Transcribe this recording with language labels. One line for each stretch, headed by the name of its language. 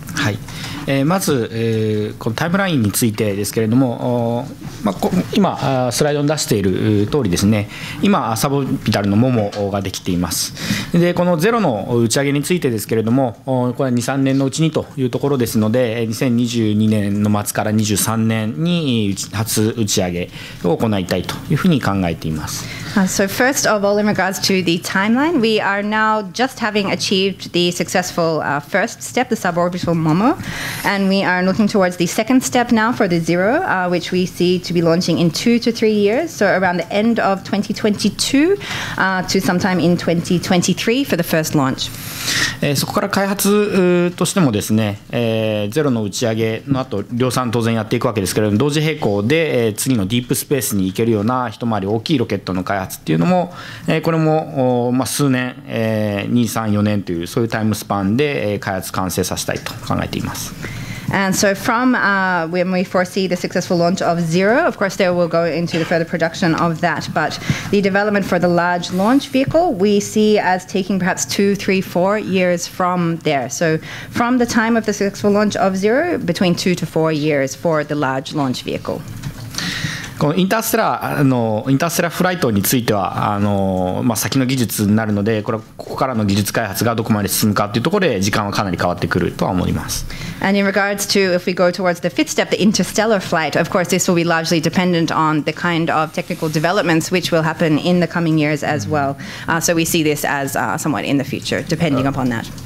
Japanese: はい、まずこのタイムラインについてですけれども、今スライドに出している通りですね、今サボビタルのモモができています。でこのゼロの打ち上げについてですけれども、これは 2,3 年のうちにというところですので、2022年の末から23年に初打ち上げを行いたいというふうに考えています。
English: So first of all, in regards to the timeline, we are now just having achieved the successful first step, the suborbital Momo, and we are looking towards the second step now for the Zero, which we see to be launching in 2 to 3 years, so around the end of 2022 to sometime in 2023 for the first launch.
Japanese: そこから開発としてもですね、ゼロの打ち上げの後量産当然やっていくわけですけれども、同時並行で次のディープスペースに行けるような一回り大きいロケットの開発っていうのも、これも数年、2、3、4年というそういうタイムスパンで開発完成させたいと考えています。
English: And so from when we foresee the successful launch of Zero, of course there will go into the further production of that, but the development for the large launch vehicle we see as taking perhaps 2, 3, 4 years from there. So from the time of the successful launch of Zero, between 2 to 4 years for the large launch vehicle.
Japanese: このインターステラフライトについては先の技術になるので、これはここからの技術開発がどこまで進むかというところで時間はかなり変わってくるとは思います。
English: And in regards to if we go towards the fifth step, the interstellar flight, of course this will be largely dependent on the kind of technical developments which will happen in the coming years as well. So we see this as somewhat in the future depending upon that.